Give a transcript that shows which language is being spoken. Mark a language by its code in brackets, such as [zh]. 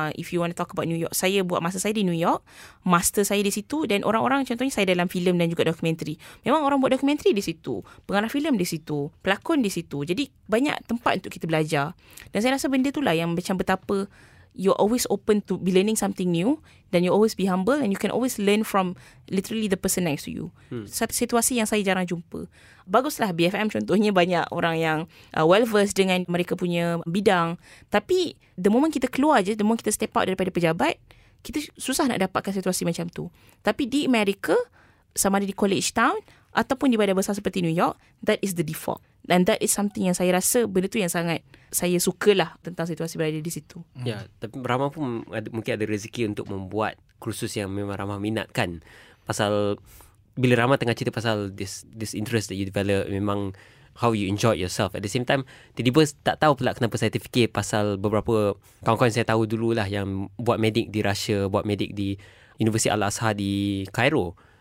[en] If you want to talk about New York, [ms] saya buat masa saya di New York, master saya di situ dan orang-orang contohnya saya dalam filem dan juga dokumentari. Memang orang buat dokumentari di situ, pengarah filem di situ, pelakon di situ. Jadi banyak tempat untuk kita belajar. Dan saya rasa benda itulah yang macam betapa [en] you're always open to be learning something new, then you always be humble and you can always learn from literally the person next to you. Hmm. [ms] Situasi yang saya jarang jumpa. Baguslah BFM contohnya banyak orang yang well-versed dengan mereka punya bidang. Tapi [en] the moment [ms] kita keluar je, the moment kita step out daripada pejabat, kita susah nak dapatkan situasi macam tu. Tapi di Amerika, sama ada di college town ataupun di badan besar seperti New York, [en] that is the default. And that is something [ms] yang saya rasa benda tu yang sangat saya sukalah tentang situasi berada di situ. Ya, yeah, tapi Rahman pun ada, mungkin ada rezeki untuk membuat kursus yang memang Rahman minatkan. Pasal bila Rahman tengah cerita pasal [en] this interest that you develop, [ms] memang [en] how you enjoy yourself. At the same time, [ms] tiba-tiba tak tahu pula kenapa saya terfikir pasal beberapa kawan-kawan saya tahu dululah yang buat medik di Russia, buat medik di Universiti Al-Azhar di Cairo.